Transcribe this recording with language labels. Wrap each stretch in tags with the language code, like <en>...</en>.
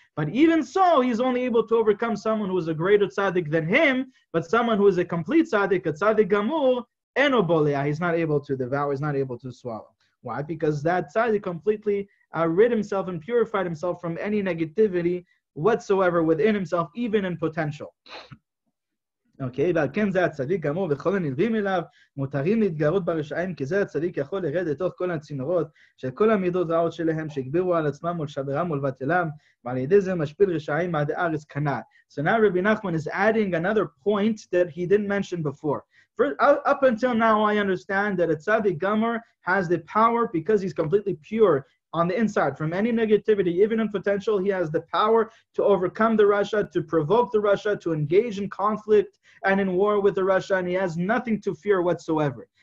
<en>But even so, he's only able to overcome someone who is a greater tzaddik than him, but someone who is a complete tzaddik, a tzaddik gamur, enobolea, he's not able to devour, he's not able to swallow. Why? Because that tzaddik completely rid himself and purified himself from any negativity whatsoever within himself, even in potential.</en> <he>Okay, ועל כן זה הצדיק גמור, וכל הנלווים אליו מותרים להתגרות ברשעים, כי זה הצדיק יכול לרד לתוך כל הצינורות של כל המידות רעות שלהם, שהגבירו על עצמם מול שברם מול בטלם, ועל ידי זה משפיל רשעים עד הארץ קנה.</he> <en>So now Rabbi Nachman is adding another point that he didn't mention before. Up until now I understand that a tzadik gamur has the power because he's completely pure on the inside, from any negativity, even in potential, he has the power to overcome the Rasha, to provoke the Rasha, to engage in conflict and in war with the Rasha, and he has nothing to fear whatsoever.</en>